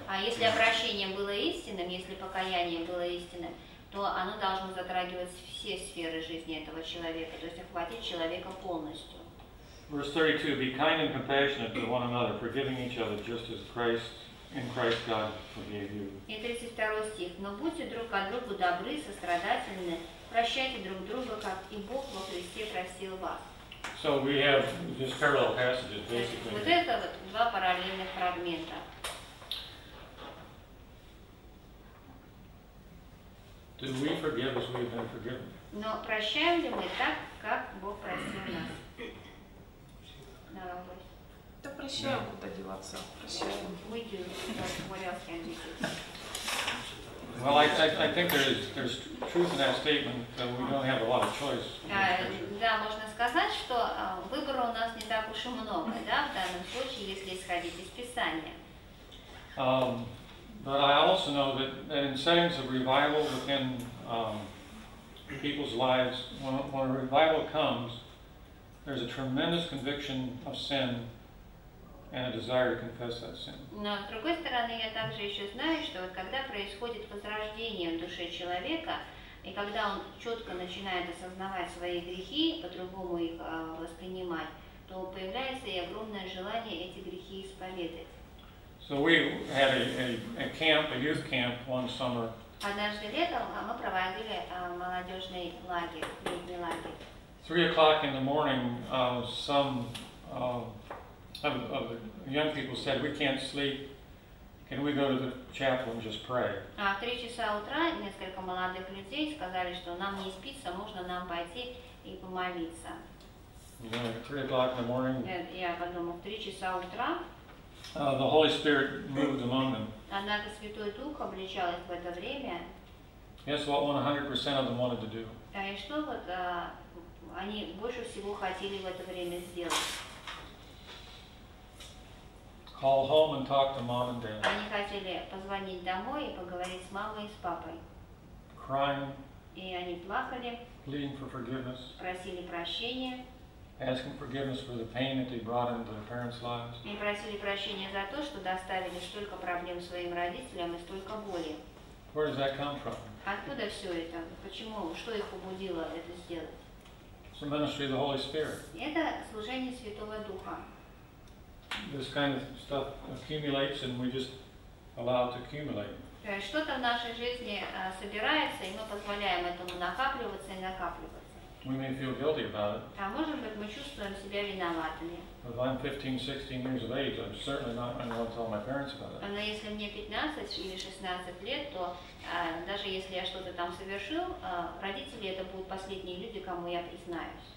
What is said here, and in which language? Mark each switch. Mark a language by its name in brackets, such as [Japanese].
[Russian] А если обращение было истинным, если покаяние было истинным, то оно должно затрагивать все сферы жизни этого человека, то есть охватить человека полностью. [English] Verse 32: Be kind and compassionate to one another, forgiving each other, just as Christ. In Christ God forgave you. [Russian] И 32 стих. Но будьте друг к другу добры, сострадательны, прощайте друг друга, как и Бог во Христе простил вас. [English] So we have just parallel passages, basically. [Russian] Вот это вот два параллельных фрагмента. [English] Do we forgive as we have been forgiven? [Russian] Но прощаем ли мы так, как Бог простил нас? Да прощаем, куда деваться. Прощаем. [English] We do. What else can we do? Well, I think there's truth in that statement that we don't have a lot of choice. [Russian] Да, можно сказать, что выбора у нас не так уж и много, да, в данном случае, если исходить из Писания. [English] But I also know that in settings of revival within people's lives, when a revival comes, there's a tremendous conviction of sin. and a desire to confess that sin. [Russian] Но с другой стороны, я также еще знаю, что вот когда происходит возрождение в душе человека, и когда он четко начинает осознавать свои грехи, по-другому их воспринимать, то появляется и огромное желание эти грехи исповедать. [English] So we had a camp, a youth camp one summer. [Russian] Однажды летом мы проводили молодежный лагерь, летний лагерь. [English] 3 o'clock in the morning, some of the young people said, "We can't sleep. Can we go to the chapel and just pray?" [Russian] А в 3 часа утра несколько молодых людей сказали, что нам не спится, можно нам пойти и помолиться. [English] Then at 3 o'clock in the morning. [Russian] Я подумал, 3 часа утра. [English] The Holy Spirit moved among them. [Russian] Однако Святой Дух обличал их в это время. [English] Guess what? 100% of them wanted to do. [Russian] А и что вот? Они больше всего хотели в это время сделать. [English] Call home and talk to mom and dad. [Russian] Они хотели позвонить домой и поговорить с мамой и с папой. [English] Crying. [Russian] И они плакали. [English] Pleading for forgiveness. [Russian] Просили прощения. [English] Asking forgiveness for the pain that they brought into their parents' lives. [Russian] И просили прощения за то, что доставили столько проблем своим родителям и столько боли. [English] Where does that come from? [Russian] Откуда все это? Почему? Что их побудило это сделать? [English] It's the ministry of the Holy Spirit. [Russian] Это служение Святого Духа. [English] This kind of stuff accumulates, and we just allow it to accumulate. [Russian] Что-то в нашей жизни собирается, и мы позволяем этому накапливаться и накапливаться. [English] We may feel guilty about it. [Russian] А может быть, мы чувствуем себя виноватыми. [English] If I'm 15-16 years of age, I'm certainly not going to want to tell my parents about it. [Russian] Но если мне 15 или 16 лет, то даже если я что-то там совершил, родители это будут последние люди, кому я признаюсь.